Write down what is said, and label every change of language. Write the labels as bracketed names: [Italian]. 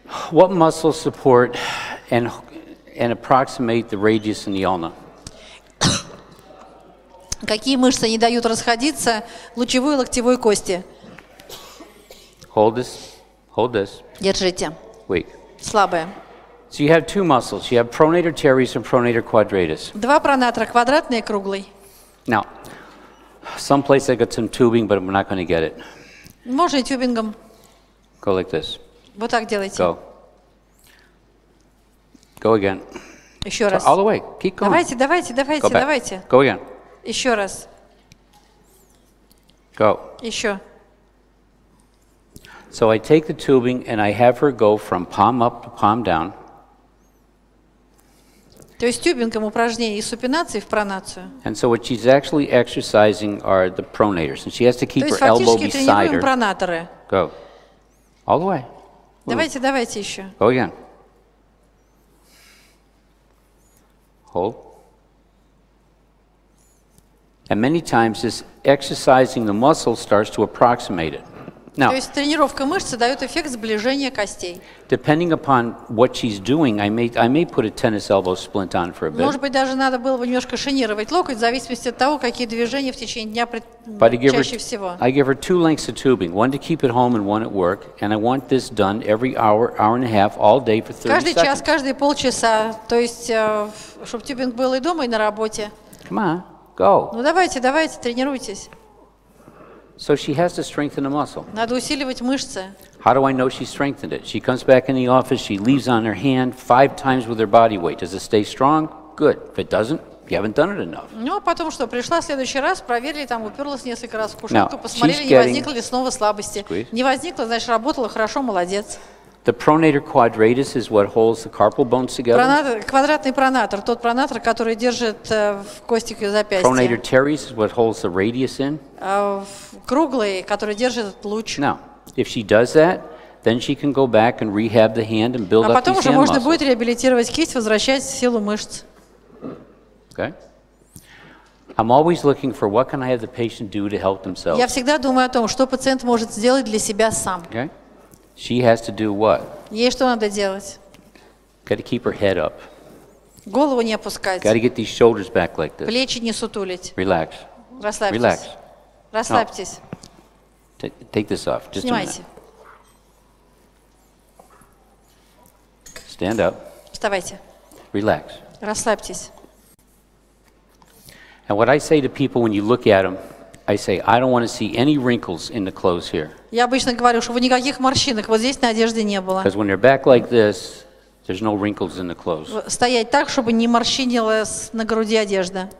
[English] What muscles support and approximate the radius and the ulna? [Russian] Какие мышцы не дают расходиться лучевой и локтевой кости? [English] Hold this. Hold this. [Russian] Держите. [English] Weak. [Russian] Слабые. [English] So you have two muscles. You have pronator teres and pronator quadratus. [Russian] Два пронатора, квадратный и круглый. [English] Now, someplace I got some tubing, but I'm not going to get it. [Russian] Можно и тюбингом. [English] Go like this. [Russian] Вот так делайте. [English] Go. Go again. [Russian] Еще раз. [English] All the way. Keep going. [Russian] Давайте, давайте, давайте, [English] Go [Russian] давайте. [English] Back. Go again. [Russian] Еще раз. [English] Go. [Russian] Еще. [English] So I take the tubing and I have her go from palm up to palm down. [Russian] То есть тюбингом упражнение из супинации в пронацию. [English] And so what she's actually exercising are the pronators, and she has to keep [Russian] То [English] her elbow beside her. [Russian] То есть фактически тренируем пронаторы. [English] Go. All the way. [Russian] Давайте, давайте еще. [English] Go again. Hold. And many times this exercising the muscle starts to approximate it. [Russian] Now, то есть тренировка мышцы дает эффект сближения костей. [English] Depending upon what she's doing, I may put a tennis elbow splint on for a bit. [Russian] Может быть, даже надо было бы немножко шинировать локоть, в зависимости от того, какие движения в течение дня чаще всего. [English] I give her two lengths of tubing, one to keep at home and one at work, and I want this done every hour, hour and a half, all day for 30 [Russian] каждый Каждый час, каждые полчаса, то есть, чтобы тюбинг был и дома, и на работе. [English] Come on, go. [Russian] Ну давайте, давайте, тренируйтесь. [English] So she has to strengthen the muscle. [Russian] Надо усиливать мышцы. [English] How do I know she strengthened it? She comes back in the office, she leaves on her hand five times with her body weight. Does it stay strong? Good. If it doesn't, you haven't done it enough. [Russian] Ну, а потом что? Пришла в следующий раз, проверили, там уперлась несколько раз в кушетку, посмотрели, не возникло ли снова слабости. Не возникло, значит, работала хорошо, молодец. [English] The pronator quadratus is what holds the carpal bones together. [Russian] Пронатор, квадратный пронатор, тот пронатор, который держит в кости к запястью. [English] Pronator teres is what holds the radius in. [Russian] Круглый, который держит луч. [English] Now, if she does that, then she can go back and rehab the hand and build up [Russian] А потом уже можно будет реабилитировать кисть, возвращать силу мышц. [English] Okay. I'm always looking for what can I have the patient do to help themselves. [Russian] Я всегда думаю о том, что пациент может сделать для себя сам. [English] Okay. She has to do what? [Russian] Ей что надо делать? [English] Got to keep her head up. [Russian] Голову не опускать. [English] Got to get these shoulders back like this. [Russian] Плечи не сутулить. [English] Relax. [Russian] Расслабьтесь. [English] Relax. [Russian] Расслабьтесь. [English] No. Take this off. Just [Russian] снимайте. [English] A minute. Stand up. [Russian] Вставайте. [English] Relax. [Russian] Расслабьтесь. [English] And what I say to people when you look at them, I say, I don't want to see any wrinkles in the clothes here. [Russian] Я обычно говорю, чтобы никаких морщинок вот здесь на одежде не было. [English] Because when you're back like this, there's no wrinkles in the clothes. [Russian] Стоять так, чтобы не морщинилась на груди одежда.